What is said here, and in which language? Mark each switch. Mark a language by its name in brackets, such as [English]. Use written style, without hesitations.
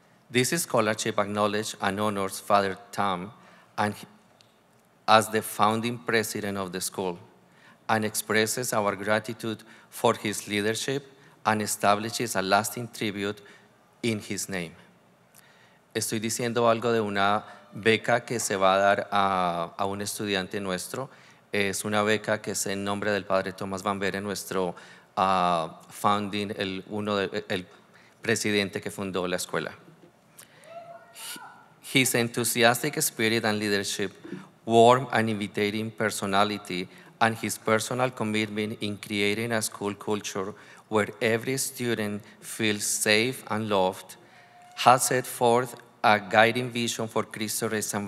[English] This scholarship acknowledges and honors Father Tom and as the founding president of the school and expresses our gratitude for his leadership and establishes a lasting tribute in his name. [Spanish] Estoy diciendo algo de una beca que se va a dar a un estudiante nuestro. Es una beca que es en nombre del padre Thomas Van Beuren, nuestro [English] founding, [Spanish] el presidente que fundó la escuela. [English] His enthusiastic spirit and leadership, warm and invigorating personality, and his personal commitment in creating a school culture where every student feels safe and loved has set forth a guiding vision for Cristo Rey St.